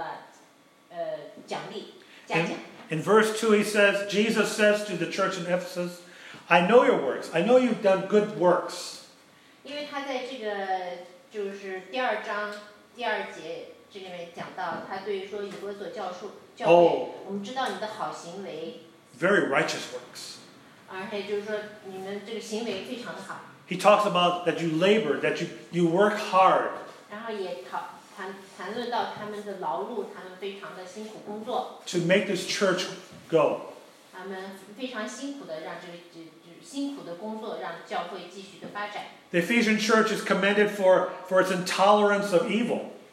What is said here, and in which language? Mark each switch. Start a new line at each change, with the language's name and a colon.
Chinese: 那就是你看到第二到第三节呢，讲到耶稣奖励嘉奖。
English: In verse 2 he says, Jesus says to the church in Ephesus, I know your works. I know you've done good works.
Chinese: 因为他在这个就是第二章第二节这里面讲到，他对于说以弗所教会，我们知道你的好行为。
English: Very righteous works.
Chinese: 而且就是说你们这个行为非常的好。
English: He talks about that you labor, that you work hard.
Chinese: 然后也谈论到他们的劳碌，他们非常的辛苦工作。
English: To make this church go.
Chinese: 他们非常辛苦的让这个辛苦的工作让教会继续的发展。
English: The Ephesian church is commended for its intolerance of evil.